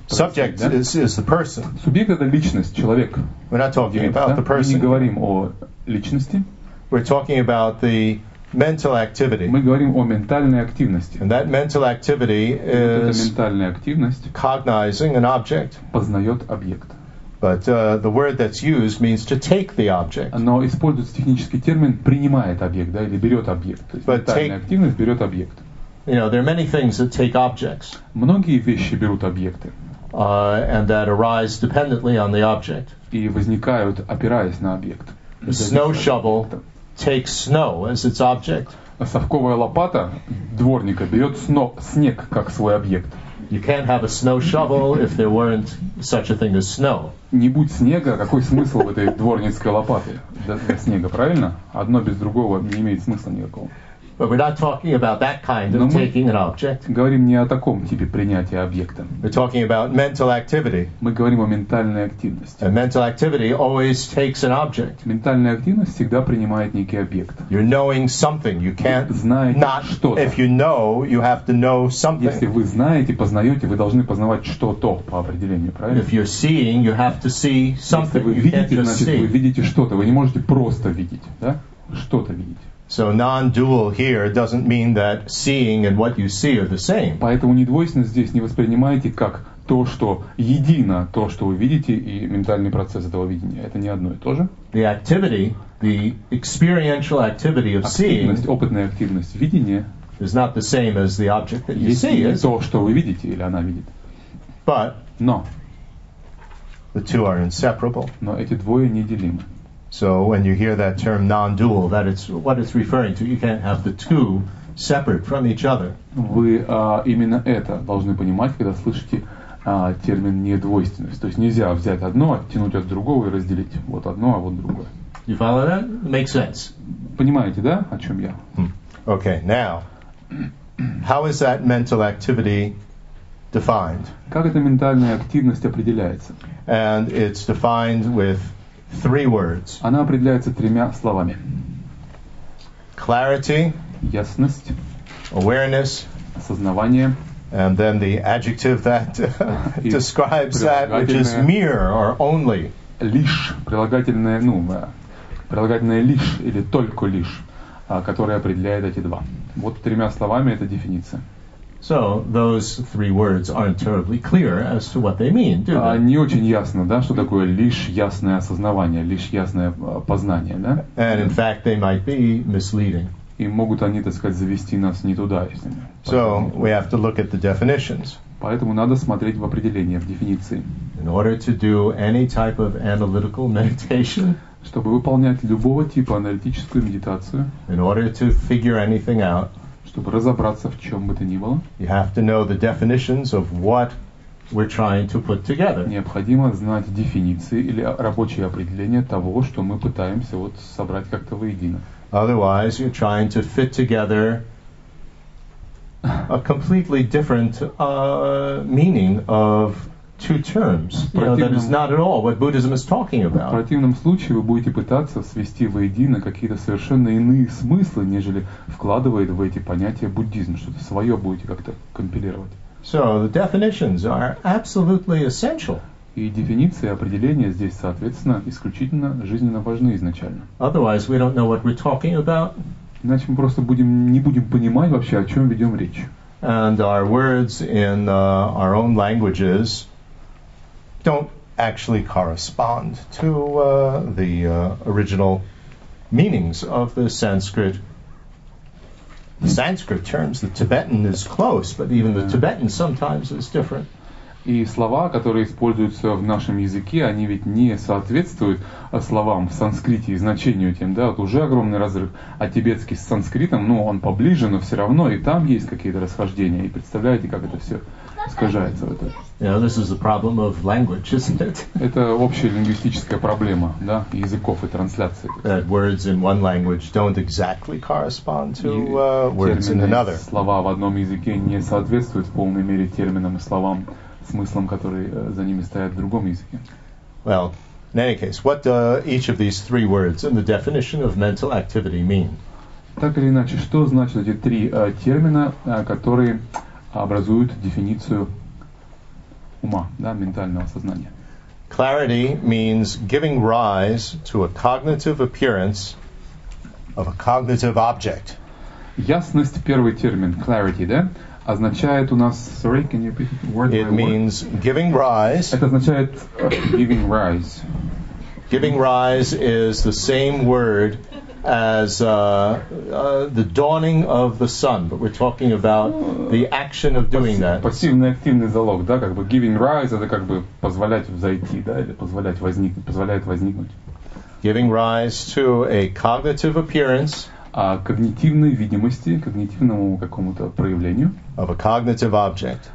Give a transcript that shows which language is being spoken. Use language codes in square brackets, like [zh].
[en] Subject is the person. [ru] Субъект — это личность, человек. [en] We're not talking about the person. [ru] Мы не говорим о личности. [en] We're talking about the mental activity. [ru] Мы говорим о ментальной активности. [en] And that mental activity is... [ru] Это ментальная активность. [en] Cognizing an object. [ru] Познает объект. [en] But the word that's used means to take the object. [ru] Но используется технический термин «принимает объект», да, или «берет объект». То есть ментальная активность берет объект. [en] You know, there are many things that take objects. [ru] Многие вещи берут объекты. [en] And that arise dependently on the object. [ru] И возникают, опираясь на объект. [en] The snow shovel takes snow as its object. [ru] Совковая лопата дворника берет снег как свой объект. [en] You can't have a snow shovel if there weren't such a thing as snow. [ru] Не будь снега, какой смысл в этой дворницкой лопате? Для снега, правильно? Одно без другого не имеет смысла никакого. [en] But we're not talking about that kind of taking an object. [ru] Мы говорим не о таком типе принятия объекта. [en] We're talking about mental activity. [ru] Мы говорим о ментальной активности. [en] And mental activity always takes an object. [ru] Ментальная активность всегда принимает некий объект. [en] You're knowing something. You can't not [ru] что-то. [en] If you know, you have to know something. [ru] Если вы знаете, познаете, вы должны познавать что-то по определению, правильно? [en] If you're seeing, you have to see something. [ru] Если вы видите, значит, вы видите что-то. Вы не можете просто видеть, да? Что-то видеть. [en] So non-dual here doesn't mean that seeing and what you see are the same. [ru] Поэтому недвойственность здесь не воспринимайте как то, что едино, то, что вы видите, и ментальный процесс этого видения. Это не одно и то же. [en] The activity, the experiential activity of seeing, [ru] опытная активность видения, [en] is not the same as the object that you see. [ru] Есть то, что вы видите, или она видит. [en] But no. The two are inseparable. [ru] Но эти двое неделимы. [en] So when you hear that term non-dual, that it's what it's referring to. You can't have the two separate from each other. [ru] Вы именно это должны понимать, когда слышите термин недвойственность. То есть нельзя взять одно, оттянуть от другого и разделить. Вот одно, а вот другое. [en] You follow that? Makes sense. [ru] Понимаете, да, о чем я? [en] Okay, now, how is that mental activity defined? [ru] Как эта ментальная активность определяется? [en] And it's defined with three words. [ru] Она определяется тремя словами. [en] Clarity. [ru] Ясность. [en] Awareness. [ru] Осознавание. [en] And then the adjective that describes that, which is mere or only. [ru] Лишь. Прилагательное, прилагательное лишь или только лишь, которое определяет эти два. Вот тремя словами это дефиниция. [en] So those three words aren't terribly clear as to what they mean, do they? [ru] Не очень ясно, да, что такое лишь ясное осознавание, лишь ясное познание, да? [en] And in fact, they might be misleading. [ru] И могут они, так сказать, завести нас не туда, если. [en] So we have to look at the definitions. [ru] Поэтому надо смотреть в определение, в дефиниции. [en] In order to do any type of analytical meditation. [ru] Чтобы выполнять любого типа аналитическую медитацию. [en] In order to figure anything out. [ru] Чтобы разобраться в чем бы то ни было. [en] You have to know the definitions of what we're trying to put together. [ru] Необходимо знать дефиниции или рабочие определения того, что мы пытаемся вот собрать как-то воедино. [en] Otherwise, you're trying to fit together a completely different meaning of two terms. That is not at all what Buddhism is talking about. [ru] В противном случае вы будете пытаться свести воедино какие-то совершенно иные смыслы, нежели вкладывает в эти понятия буддизм. Что-то свое будете как-то компилировать. [en] So the definitions are absolutely essential. [ru] И дефиниции, определения здесь, соответственно, исключительно жизненно важны изначально. [en] Otherwise we don't know what we're talking about. [ru] Иначе мы просто не будем понимать вообще, о чем ведем речь. [en] And our words in our own languages don't actually correspond to the original meanings of the Sanskrit. The Sanskrit terms, the Tibetan is close, but even the Tibetan sometimes is different. [ru] И слова, которые используются в нашем языке, они ведь не соответствуют словам в санскрите и значению тем, да, вот уже огромный разрыв. А тибетский с санскритом, он поближе, но все равно и там есть какие-то расхождения. И представляете, как это все искажается в этом. [en] This is a problem of language, isn't it? [ru] Это общая лингвистическая проблема, да, языков и трансляции. [en] That words in one language don't exactly correspond to words in another. [ru] Слова в одном языке не соответствуют в полной мере терминам и словам, смыслом, которые за ними стоят в другом языке. [en] Well, In any case, what do each of these three words in the definition of mental activity mean? [ru] Так или иначе, что значат эти три термина, которые образуют дефиницию ума, да, ментального сознания? [en] Clarity means giving rise to a cognitive appearance of a cognitive object. [ru] Ясность, первый термин, clarity, да, означает у нас, [en] sorry, can you repeat word It means word? Giving rise. [ru] Это означает giving rise. [en] Giving rise is the same word as the dawning of the sun, but we're talking about the action of doing that. [ru] Пассивный активный залог, да, как бы giving rise, это как бы позволять взойти, да, или позволять возникнуть, позволяет возникнуть. [en] Giving rise to a cognitive appearance. [ru] Когнитивной видимости, когнитивному какому-то проявлению. [en] Of a cognitive object.